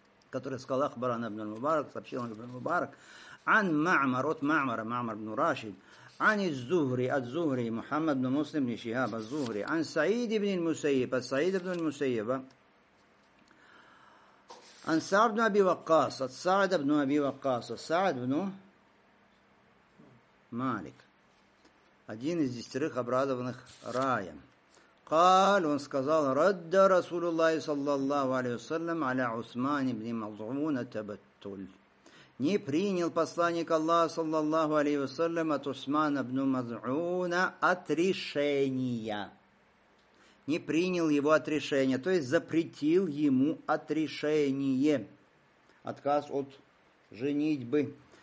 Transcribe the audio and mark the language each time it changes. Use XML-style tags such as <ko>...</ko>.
<ru>который сказал Ахбарана ибн Мубарак, сообщил он ибн Мубарак, ан Ма'мар, от Ма'мара, Ма'мар ибн Рашид,</ru> <ar>عن الزهري الزهري محمد بن مسلم بن شهاب الزهري عن سعيد بن المسيب السعيد بن المسيب عن سعد بن أبي وقاص سعد بن أبي وقاص سعد بن مالك</ar> <ru>один из десятерых обрадованных раем.</ru> <ar>قال</ar> <ru>он сказал</ru> <ar>رد رسول الله صلى الله عليه وسلم على عثمان بن مظعون التبتل.</ar> <ru>Не принял посланник Аллаха, саллаллаху алейхи ва саллям, от Усмана ибн Мазуна отрешения. не принял его отрешение, то есть запретил ему отрешение, отказ от женитьбы.</ru>